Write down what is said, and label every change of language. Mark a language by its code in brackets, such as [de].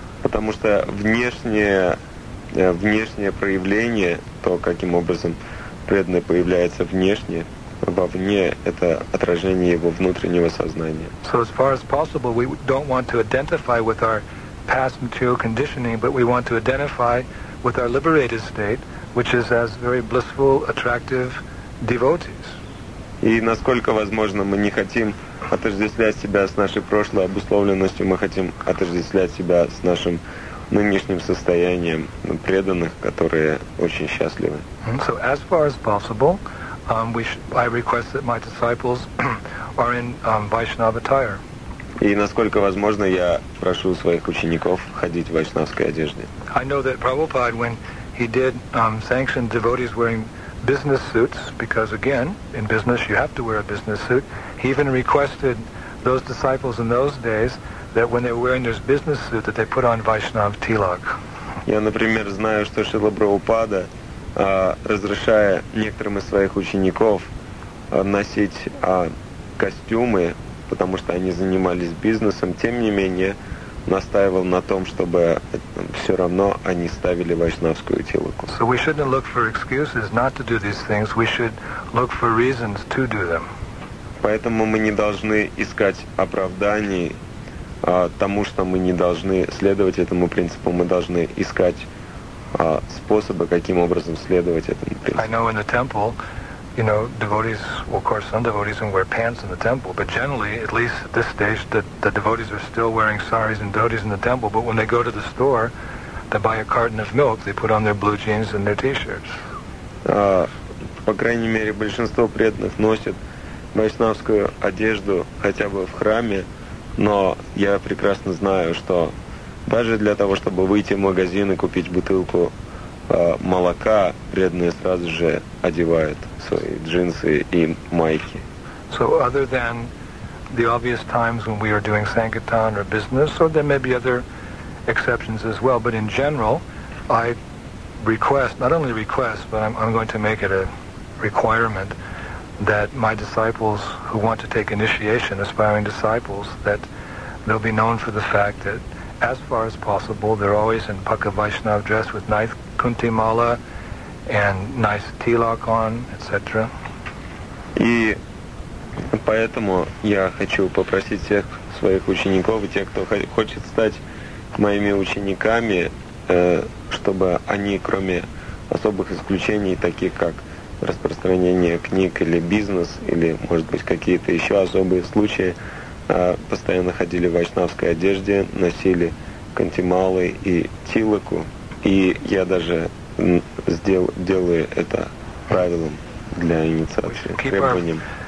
[ru] Потому что внешнее проявление, то, каким образом преданный появляется внешне, вовне, это отражение его внутреннего сознания. [en] So as far as possible, we don't want to identify with our past material conditioning, but we want to identify with our liberated state, which is as very blissful, attractive devotees. [ru] И насколько возможно, мы не хотим отождествлять себя с нашей прошлой обусловленностью, мы хотим отождествлять себя с нашим нынешним состоянием преданных, которые очень счастливы. [en] So as far as possible, I request that my disciples are in Vaishnava attire. [ru] И насколько возможно, я прошу своих учеников ходить в вайшнавской одежде. [en] I know that Prabhupada, when he did sanction devotees wearing business suits, because again, in business you have to wear a business suit, he even requested those disciples in those days that when they were wearing their business suit, that they put on Vaishnav tilak. [ru] Я, например, знаю, что Шрила Прабхупада, разрешая некоторым из своих учеников носить костюмы, потому что они занимались бизнесом, тем не менее настаивал на том, чтобы все равно они ставили вайшнавскую тилаку. [en] So we shouldn't look for excuses not to do these things, we should look for reasons to do them. [ru] Поэтому мы не должны искать оправданий тому, что мы не должны следовать этому принципу, мы должны искать способы, каким образом следовать этому принципу. [en] I know in the temple, you know, devotees, well, of course, some devotees don't wear pants in the temple, but generally, at least at this stage, the devotees are still wearing saris and dhotis in the temple, but when they go to the store, they buy a carton of milk, they put on their blue jeans and their t-shirts. [ru] По крайней мере, большинство преданных носят вайшнавскую одежду хотя бы в храме, но я прекрасно знаю, что даже для того, чтобы выйти в магазин и купить бутылку молока, преданные сразу же одевают свои джинсы и майки. [en] So other than the obvious times when we are doing sankirtan or business, or there may be other exceptions as well, but in general, I request, not only request, but I'm going to make it a requirement that my disciples who want to take initiation, aspiring disciples, that they'll be known for the fact that as far as possible, they're always in Pakka Vaishnav dress with nice Kunti Mala and nice Tilak on, etc. [ru] И Поэтому я хочу попросить всех своих учеников и тех, кто хочет стать моими учениками, чтобы они, кроме особых исключений, таких как распространение книг или бизнес, или, может быть, какие-то еще особые случаи, постоянно ходили в вайшнавской одежде, носили кантималы и тилаку, и я даже делаю это правилом для инициации, требованием.